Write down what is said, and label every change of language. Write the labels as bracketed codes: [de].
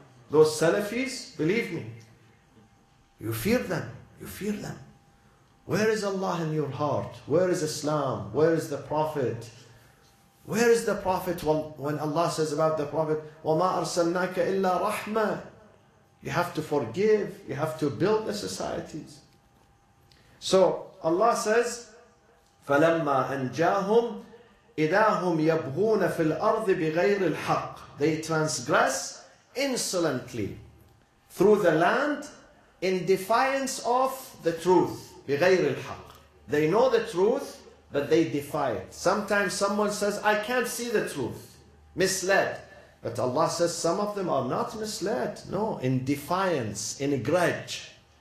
[en] Those Salafis, believe me. You fear them. You fear them. Where is Allah in your heart? Where is Islam? Where is the Prophet? Where is the Prophet? When Allah says about the Prophet, وَمَا أَرْسَلْنَاكَ إِلَّا رَحْمَةً. You have to forgive. You have to build the societies. [ar] So Allah says, فَلَمَّا أَنْجَاهُمْ إِذَا هُمْ يَبْغُونَ فِي الْأَرْضِ بِغَيْرِ الْحَقِّ. [en] They transgress insolently through the land in defiance of the truth. [ar] بِغَيْرِ الْحَقِّ. [en] They know the truth, but they defy it. Sometimes someone says, I can't see the truth. Misled. But Allah says some of them are not misled. No, in defiance, in a grudge.